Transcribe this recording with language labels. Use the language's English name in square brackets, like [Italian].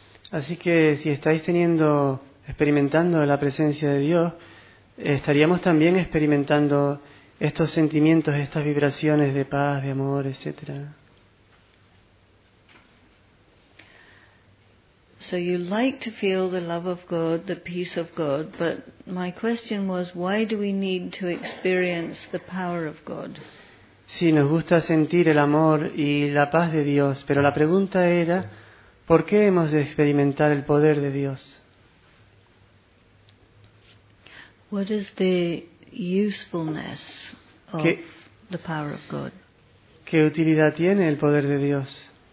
[Spanish] Así que si estáis experimentando la presencia de Dios, estaríamos también experimentando estos sentimientos, estas vibraciones de paz, de amor, etcétera. [English] So you like to feel the love of God, the peace of God, but my question was, why do we need to experience the power of God? [Spanish] Sí, nos gusta sentir el amor y la paz de Dios, pero la pregunta era, ¿por qué hemos de experimentar el poder de Dios? [English] What is the usefulness of the power of God? [Spanish] ¿Qué utilidad tiene el poder de Dios?